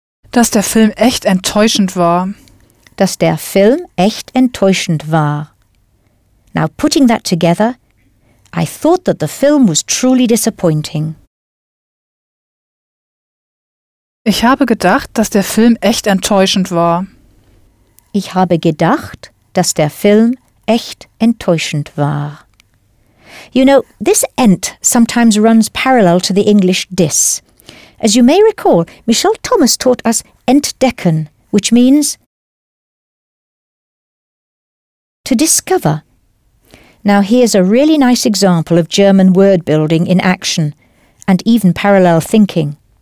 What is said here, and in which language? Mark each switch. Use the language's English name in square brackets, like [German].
[German] Dass der Film echt enttäuschend war. Dass der Film echt enttäuschend war. [English] Now, putting that together, I thought that the film was truly disappointing. [German] Ich habe gedacht, dass der Film echt enttäuschend war. Ich habe gedacht, dass der Film echt enttäuschend war. [English] You know, this ent sometimes runs parallel to the English dis. As you may recall, Michelle Thomas taught us entdecken, which means to discover. Now here's a really nice example of German word building in action, and even parallel thinking.